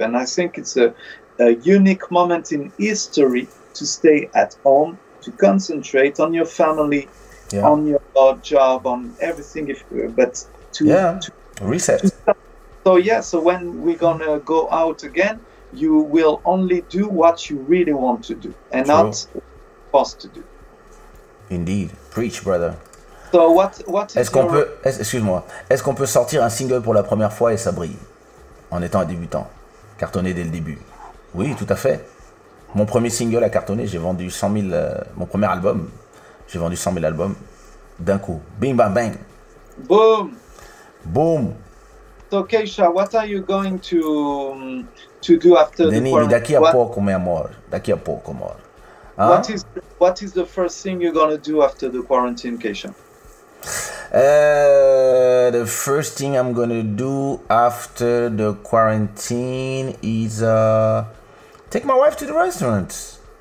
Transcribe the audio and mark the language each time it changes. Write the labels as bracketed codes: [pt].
[en] And I think it's a unique moment in history to stay at home, to concentrate on your family, on your job, on everything. To reset. So when we're gonna go out again, you will only do what you really want to do, and true, not supposed to do. Indeed, preach, brother. So what? [fr] Est-ce qu'on peut sortir un single pour la première fois et ça brille, en étant un débutant, cartonné dès le début? Oui, tout à fait. Mon premier single a cartonné, j'ai vendu 100 000... mon premier album, j'ai vendu 100 000 albums d'un coup. Bing, bang, bang. Boom. Boom. [en] So, Keisha, what are you going to do after Denis, the quarantine? [pt] D'aqui a pouco, meu amor. D'aqui a pouco, amor. Hein? [en] What is the first thing you're going to do after the quarantine, Keisha? The first thing I'm gonna do after the quarantine is take my wife to the restaurant.